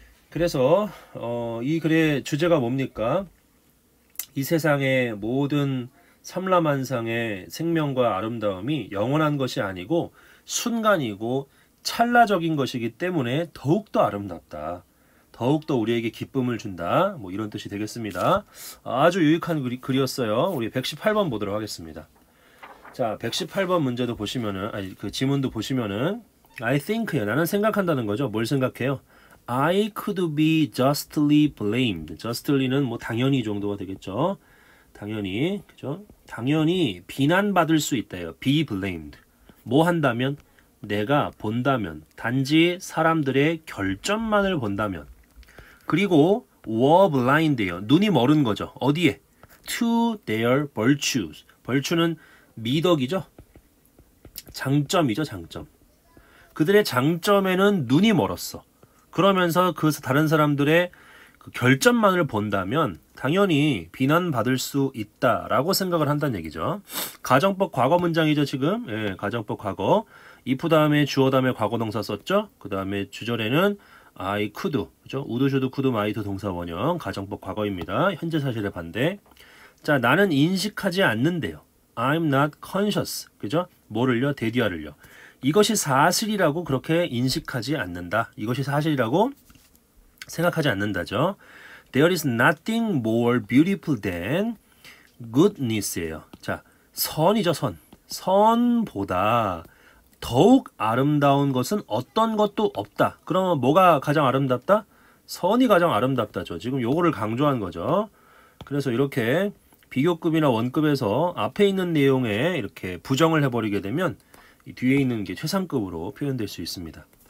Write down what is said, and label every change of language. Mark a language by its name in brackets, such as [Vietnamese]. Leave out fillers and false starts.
[Korean] 그래서 이 글의 주제가 뭡니까? 이 세상의 모든 삼라만상의 생명과 아름다움이 영원한 것이 아니고 순간이고 찰나적인 것이기 때문에 더욱더 아름답다. 더욱더 우리에게 기쁨을 준다. 뭐 이런 뜻이 되겠습니다. 아주 유익한 글이었어요. 우리 118번 보도록 하겠습니다. 자, 118번 문제도 보시면은, 아니, 그 지문도 보시면은, [English] I think [Korean] 요. 나는 생각한다는 거죠. 뭘 생각해요? [English] I could be justly blamed. [Korean] Justly는 뭐 당연히 정도가 되겠죠. 당연히, 그죠? 당연히 비난받을 수 있대요. [English] Be blamed. [Korean] 뭐 한다면? 내가 본다면. 단지 사람들의 결점만을 본다면. 그리고 [English] were blind [Korean] 예요. 눈이 멀은 거죠. 어디에? [English] To their virtues. [Korean] Virtue는 미덕이죠? 장점이죠, 장점. 그들의 장점에는 눈이 멀었어. 그러면서 그 다른 사람들의 그 결점만을 본다면 당연히 비난받을 수 있다라고 생각을 한다는 얘기죠. 가정법 과거 문장이죠, 지금. 예, 가정법 과거. if 다음에 주어 다음에 과거 동사 썼죠? 그 다음에 주절에는 [English] I could, [Korean] 그죠? would, should, could, might 동사 원형. 가정법 과거입니다. 현재 사실의 반대. 자, 나는 인식하지 않는데요. [English] I'm not conscious. [Korean] 그죠? 뭐를요? 데디아를요. 이것이 사실이라고 그렇게 인식하지 않는다. 이것이 사실이라고 생각하지 않는다죠. [English] There is nothing more beautiful than goodness예요. [Korean] 자, 선이죠, 선. 선보다 더욱 아름다운 것은 어떤 것도 없다. 그러면 뭐가 가장 아름답다? 선이 가장 아름답다죠. 지금 요거를 강조한 거죠. 그래서 이렇게 비교급이나 원급에서 앞에 있는 내용에 이렇게 부정을 해버리게 되면 이 뒤에 있는 게 최상급으로 표현될 수 있습니다.